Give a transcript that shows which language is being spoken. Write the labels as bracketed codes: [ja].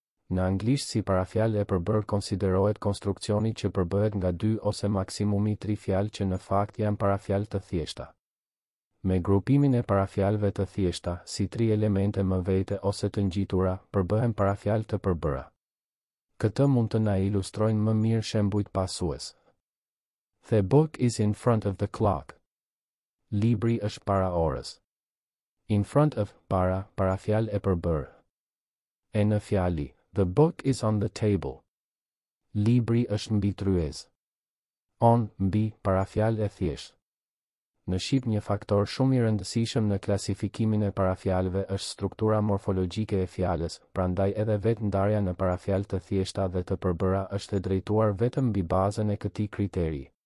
[sq] Në anglisht si parafjalë e përbër konsiderohet konstruksioni që përbëhet nga dy ose maksimumi tri fjalë që në fakt janë parafjalë të thjeshta. Me grupimin e parafjalëve të thjeshta, si tri elemente më vete ose të ngjitura, përbëhen parafjalë të përbëra. Këtë mund të na ilustrojnë më mirë shembujt pasues. [en] The book is in front of the clock. [sq] Libri është para orës. [en] In front of, para, [sq] parafjal e përbër. E në fjali, [en] the book is on the table. [sq] Libri është mbi tryez. On, mbi, parafjal e thjesht. Në Shqip një faktor shumë i rëndësishëm në klasifikimin e parafjalëve është struktura morfologjike e fjalës, prandaj edhe vetë ndarja në parafjalë të thjeshta dhe të përbëra është e drejtuar vetëm mbi bazën e këtij kriteri.